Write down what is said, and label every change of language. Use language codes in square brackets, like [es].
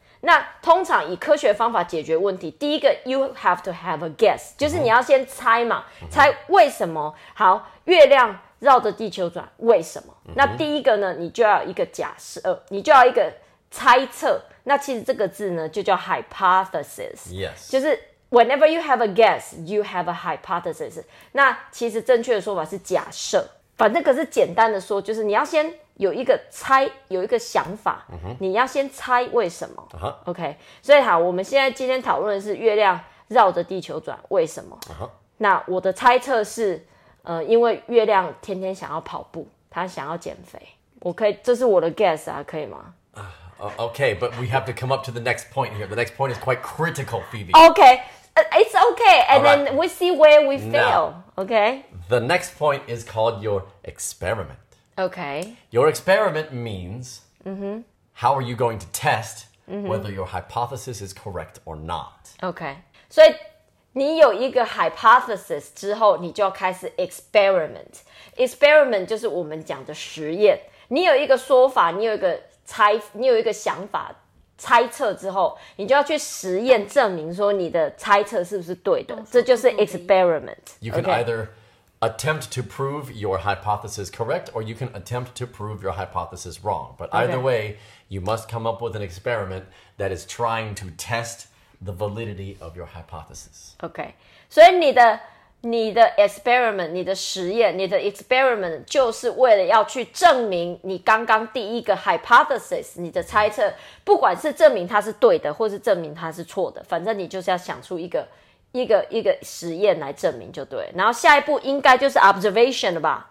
[zh] 那通常以科学方法解决问题，第一个 [en] you have to have a guess， [zh] 就是你要先猜嘛，猜为什么好月亮绕着地球转，为什么？那第一个呢，你就要一个假设，你就要一个猜测。那其实这个字呢，就叫 hypothesis， [en] yes，就是 whenever you have a guess， you have a hypothesis。 [zh] 那其实正确的说法是假设，反正可是简单的说，就是你要先。有一个猜，有一个想法，你要先猜为什么。 OK， 所以好，我们现在今天讨论的是月亮绕着地球转，为什么？那我的猜测是，因为月亮天天想要跑步，他想要减肥。我可以，这是我的 guess 啊，可以吗？ [en] OK， but we have to come up to the next point here. The next point is quite critical, Phoebe. OK,、it's OK, and then we see where we fail. Now, OK, the next point is called your experiment. Okay. Your experiment means、how are you going to test、whether your hypothesis is correct or not. [zh] Okay. 所以你有一个 hypothesis 之后你就要开始 experiment. Experiment 就是我们讲的实验。你有一个说法，你有一个想法猜测之后，你就要去实验证明说你的猜测是不是对的。这就是 experiment. [en] You can、either... attempt to prove your hypothesis correct, or you can attempt to prove your hypothesis wrong. But either way, you must come up with an experiment that is trying to test the validity of your hypothesis. [zh] Okay. 所以你的 experiment, 你的实验，你的 experiment 就是为了要去证明你刚刚第一个 hypothesis, 你的猜测，不管是证明它是对的，或是证明它是错的，反正你就是要想出一个实验来证明就对，然后下一步应该就是 observation 了吧？